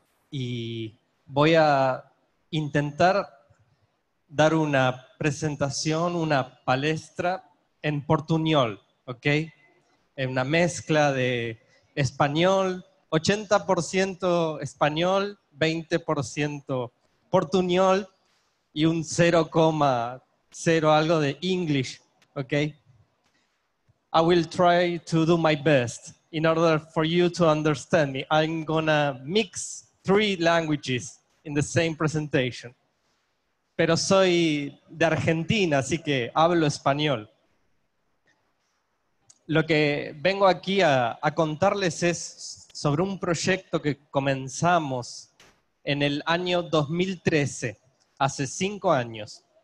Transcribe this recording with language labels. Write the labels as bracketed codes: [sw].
[es] y voy a intentar dar una presentación, una palestra en portuñol, ¿ok? En una mezcla de español, 80% español, 20% portuñol y un 0,0 algo de English, ¿ok? [en] I will try to do my best. In order for you to understand me, I'm gonna mix three languages in the same presentation. [es] Pero soy de Argentina, así que hablo español. Lo que vengo aquí a contarles es sobre un proyecto que comenzamos en el año 2013, hace 5 años.